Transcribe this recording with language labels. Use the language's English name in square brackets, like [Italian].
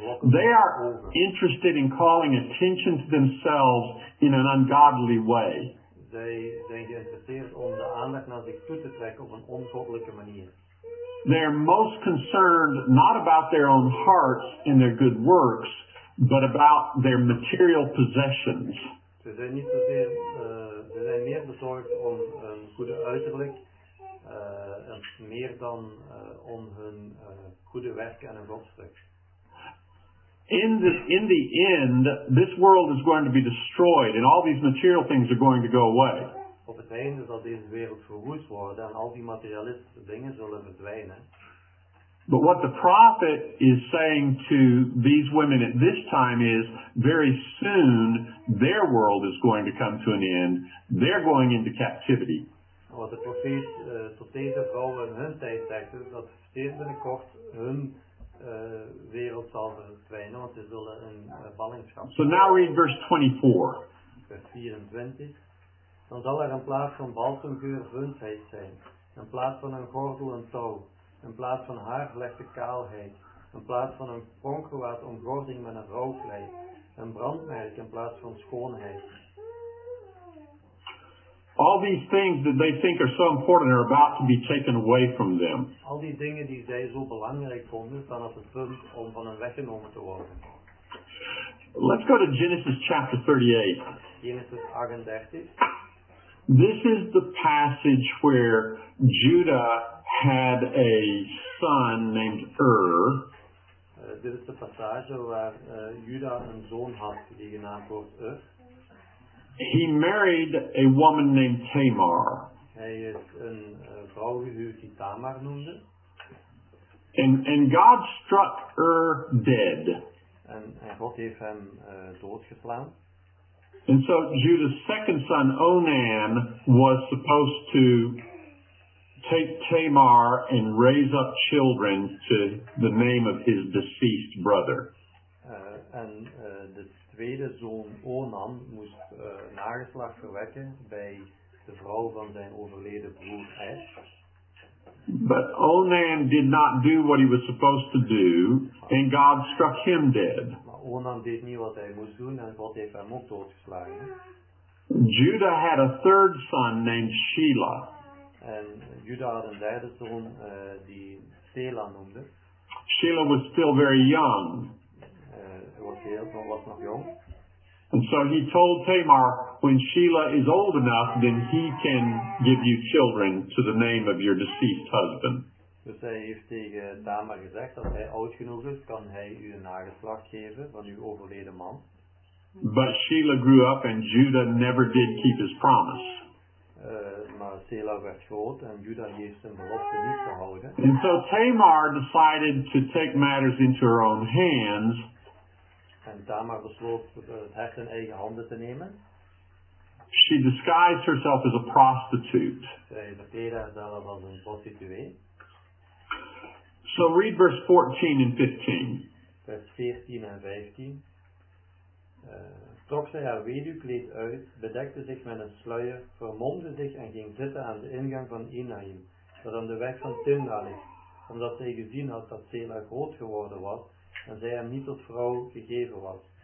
[English] they are interested in calling attention to themselves in an ungodly way. [Dutch] Zij zijn geïnteresseerd om de aandacht naar zich toe te trekken op een ongoddelijke manier. [English] They're most concerned not about their own hearts and their good works, but about their material possessions. [Dutch] Ze zijn niet zozeer, ze zijn meer bezorgd om een goede uiterlijk, en meer dan om hun goede werken en hun godsdienst. [English] In the end, this world is going to be destroyed, and all these material things are going to go away. [Dutch] Op het einde zal deze wereld verwoest worden en al die materialistische dingen zullen verdwijnen. [English] But what the prophet is saying to these women at this time is, very soon their world is going to come to an end. They're going into captivity. [Dutch] Wat de profeet tot deze vrouwen in hun tijd zegt, is dat zeer binnenkort hun wereld zal verdwijnen, want ze zullen in ballingschap. [English] So now read verse 24. [Dutch] Vers 24. Dan zal er in plaats van balsemgeur vunsheid zijn, in plaats van een gordel een touw, in plaats van haar gelegde kaalheid, in plaats van een pronkgewaad omgording met een rouwkleed, een brandmerk in plaats van schoonheid. [English] All these things that they think are so important are about to be taken away from them. [Dutch] Al die dingen die zij zo belangrijk vonden, staan op het punt om van hen weggenomen te worden. [English] Let's go to Genesis chapter 38. [Dutch] Genesis 38. [English] This is the passage where Judah had a son named Ur. [Dutch] Dit is de passage waar Judah een zoon had die genaamd wordt Ur. [English] He married a woman named Tamar. [Dutch] Hij is een vrouw gehuwd die Tamar noemde. [English] And God struck Ur dead. [Dutch] En God heeft hem doodgeslaan. [English] And so Judah's second son, Onan, was supposed to take Tamar and raise up children to the name of his deceased brother. [Dutch] En de tweede zoon, Onan, moest nageslacht verwekken bij de vrouw van zijn overleden broer, Esh. [English] But Onan did not do what he was supposed to do, and God struck him dead. [Dutch] Onan deed niet wat hij moest doen en God heeft hem ook doodgeslagen. [English] Judah had a third son named Shelah. [Dutch] En Judah had een derde zoon die Selah noemde. [English] Shelah was still very young. [Dutch] Hij was heel, maar was nog jong. [English] And so he told Tamar, when Shelah is old enough, then he can give you children to the name of your deceased husband. [Dutch] Dus hij heeft tegen Tamar gezegd, als hij oud genoeg is, kan hij u een nageslacht geven van uw overleden man. [English] But Shelah grew up and Judah never did keep his promise. [Dutch] Maar Selah werd groot en Judah heeft zijn belofte niet gehouden. [English] And so Tamar decided to take matters into her own hands. [Dutch] En Tamar besloot het hecht in eigen handen te nemen. [English] She disguised herself as a prostitute. [Dutch] Zij verkleedde zichzelf als een prostituee. [English] So read verse 14 and 15. [Dutch] Vers 14 en 15. Trok zij haar weduwkleed uit, bedekte zich met een sluier, vermomde zich en ging zitten aan de ingang van Enaim, dat aan de weg van Timna ligt, omdat zij gezien had dat Selah groot geworden was en zij hem niet tot vrouw gegeven was.